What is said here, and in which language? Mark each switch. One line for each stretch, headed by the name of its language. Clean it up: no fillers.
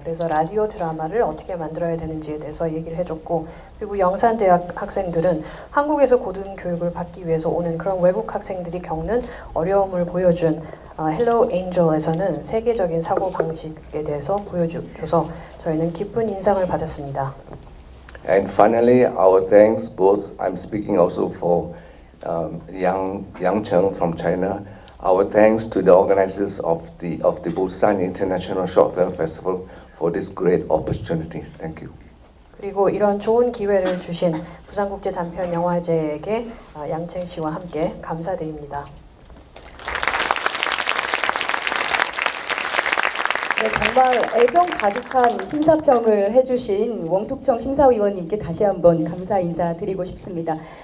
Korean: 그래서 라디오 드라마를 어떻게 만들어야 되는지에 대해서 얘기를 해줬고 그리고 영산대학 학생들은 한국에서 고등교육을 받기 위해서 오는 그런 외국 학생들이 겪는 어려움을 보여준 Hello Angel에서는 세계적인 사고 방식에 대해서 보여줘서 저희는 깊은 인상을 받았습니다.
English: And finally, our thanks both. I'm speaking also for Yang Cheng from China. Our thanks to the organizers of the Busan International Short Film Festival for this great opportunity. Thank you.
Korean: 그리고 이런 좋은 기회를 주신 부산국제단편영화제에게 양챙 씨와 함께 감사드립니다. 네, 정말 애정 가득한 심사평을 해주신 원국청 심사위원님께 다시 한번 감사 인사드리고 싶습니다.